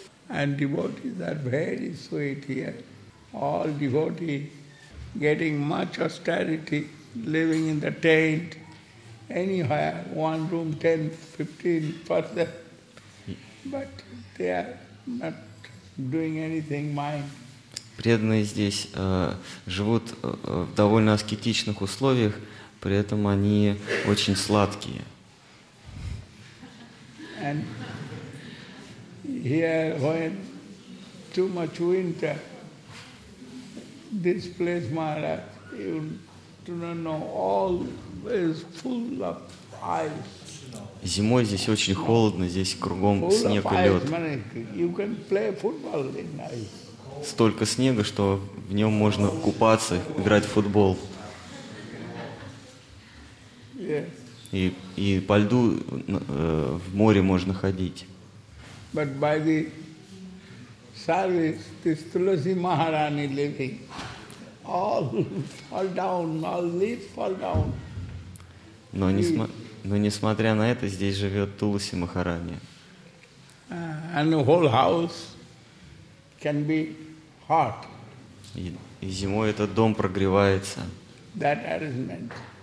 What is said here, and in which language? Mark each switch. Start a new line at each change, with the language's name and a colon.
English: And devotees are very sweet here. All devotees getting much austerity, living in the tent, anywhere, one room, 10-15%, but they are not doing anything mine.
Russian: Преданные здесь живут в довольно аскетичных условиях, при этом они очень сладкие.
English: And here, when too much winter, this place, Maharaj, you do not know, all is full of ice.
Russian: Зимой здесь очень холодно, здесь кругом
English: full
Russian: снег и лед.
English: You can play football in ice.
Russian: Столько снега, что в нем можно купаться, играть в футбол.
English: Yes.
Russian: И по льду в море можно ходить.
English: But by the service, this Tulasi Maharani living. All fall down, all leaves fall down.
Russian: Но несмотря на это, здесь живет Туласи Махарани.
English: And the whole house can be hot.
Russian: И зимой этот дом прогревается.
English: That arrangement.